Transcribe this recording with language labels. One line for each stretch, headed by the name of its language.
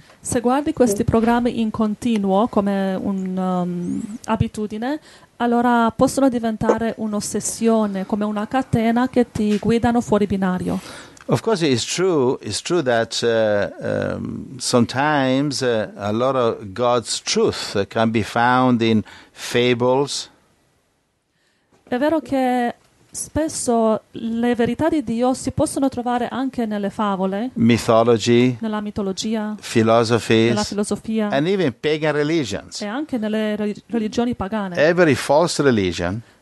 Italian: Se guardi questi programmi in continuo, come un'abitudine, allora possono diventare un'ossessione, come una catena che ti guidano fuori binario.
English: Of course it's true that sometimes a lot of God's truth can be found in fables.
Italian: È vero che spesso le verità di Dio si possono trovare anche nelle favole,
English: mythology,
Italian: nella mitologia,
English: philosophies,
Italian: nella filosofia,
English: and even pagan religions.
Italian: E anche nelle religioni pagane.
English: Every false religion,